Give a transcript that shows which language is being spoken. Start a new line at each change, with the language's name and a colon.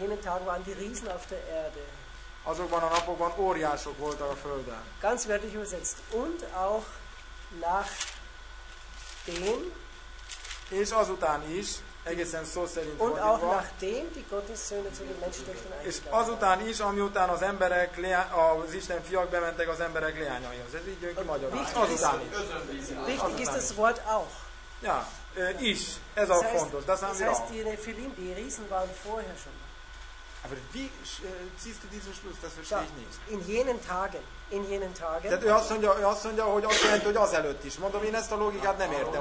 German: jenen Tagen waren die Riesen auf der Erde.
Hungarian: Azokban a napokban óriások voltak a Földön.
German: Ganz wörtlich übersetzt. Und auch nach dem.
Hungarian: És azután is, egészen szó szerint fordítva.
German: Und auch nachdem die Gottessöhne zu den Menschentöchtern eingegangen.
Hungarian: És azután is, amiután az emberek, az Isten fiak bementek az emberek leányaihoz. Ez így jön ki magyarul. Azután is.
German: Wichtig ist das Wort auch.
Hungarian: Ja, is. Ez auch fontos.
German: Das haben wir auch. Das heißt, die Nephilim, die Riesen waren vorher schon. Aber wie ziehst du diesen Schluss? Das verstehe ich nicht. In jenen Tagen.
Hungarian: Tehát ő azt mondja, hogy azt jelenti, hogy azelőtt is. Mondom, én ezt a logikát nem értem.